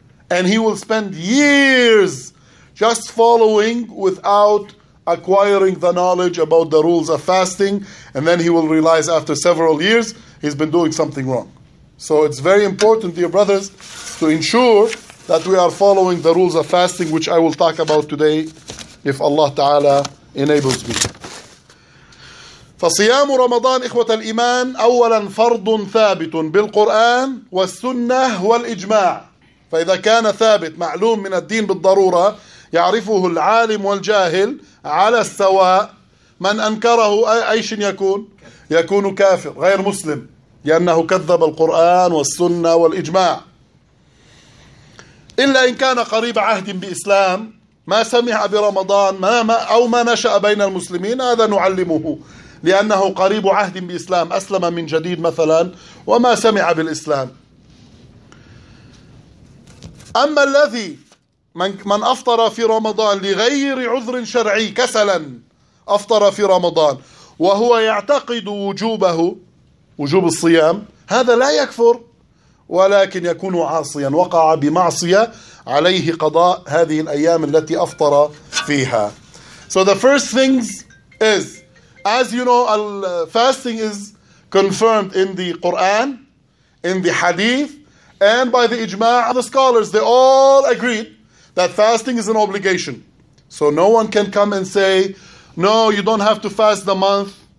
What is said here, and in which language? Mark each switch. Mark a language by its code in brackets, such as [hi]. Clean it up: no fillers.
[en] And he will spend years just following without acquiring the knowledge about the rules of fasting, and then he will realize after several years he's been doing something wrong. So it's very important, dear brothers, to ensure that we are following the rules of fasting, which I will talk about today if Allah Ta'ala enables me. [ar] فصيام رمضان إخوة الإيمان أولا فرض ثابت بالقرآن والسنة والإجماع. فإذا كان ثابت معلوم من الدين بالضرورة يعرفه العالم والجاهل على السواء. من أنكره أيش يكون؟ يكون كافر غير مسلم، لأنه كذب القرآن والسنة والإجماع. إلا إن كان قريب عهد بإسلام، ما سمع برمضان أو ما نشأ بين المسلمين، هذا نعلمه لأنه قريب عهد بإسلام، أسلم من جديد مثلا وما سمع بالإسلام. أما الذي من أفطر في رمضان لغير عذر شرعي، كسلا أفطر في رمضان وهو يعتقد وجوبه، وجوب الصيام، هذا لا يكفر، ولكن يكون عاصيا، وقع بمعصية عليه قضاء هذه الأيام التي أفطر فيها. [en] So the first things is, as you know, fasting is confirmed in the Quran, in the Hadith, and by the Ijma' of the scholars. They all agreed that fasting is an obligation. So no one can come and say, no, you don't have to fast the month.